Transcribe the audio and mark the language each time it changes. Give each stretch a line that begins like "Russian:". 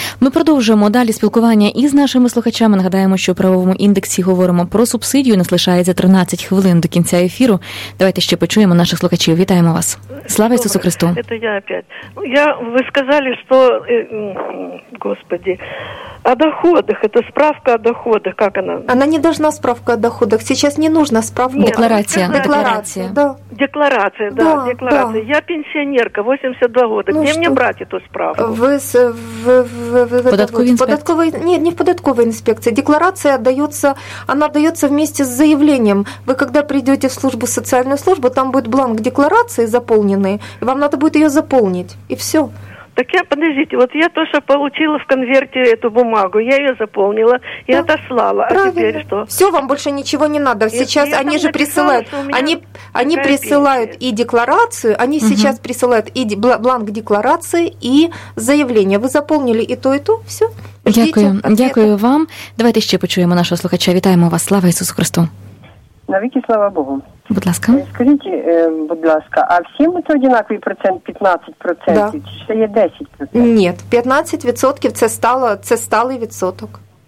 Ukrainian: Ми продовжуємо далі спілкування із нашими слухачами. Нагадаємо, що у правовому індексі говоримо про субсидію. Нас лишається 13 хвилин до кінця ефіру. Давайте ще почуємо наших слухачів. Вітаємо вас. Слава Ісусу Христу. Це я опять. Ви сказали, що, Господи, о доходах.
Russian: Это справка о доходах. Как она? Она не должна справка о доходах. Сейчас не нужна справка. Декларация. Декларация. Да. Я пенсионерка, 82 года. Ну, где мне брать эту справку? В податковой инспекции. Декларация дается, она дается вместе с заявлением. Вы когда придете в службу, социальную службу, там будет бланк декларации заполненный. Вам надо будет ее заполнить. И все. Так я, подождите, вот я то, что получила в конверте эту бумагу, я ее заполнила и отослала. Правильно. А теперь что? Все, вам больше ничего не надо. Сейчас они же присылают, они присылают и декларацию, они сейчас присылают и бланк декларации, и заявление. Вы заполнили и то, все.
Ukrainian: Дякую, дякую вам. Давайте ще почуємо нашого слухача. Вітаємо вас, слава Ісусу Христу. Навіки слава Богу. Будь ласка. Скажіть, будь ласка, а всім це одинаковий процент, 15%,
Russian: да.
Ukrainian: Чи це є 10%? Ні, 15% це сталий відсоток.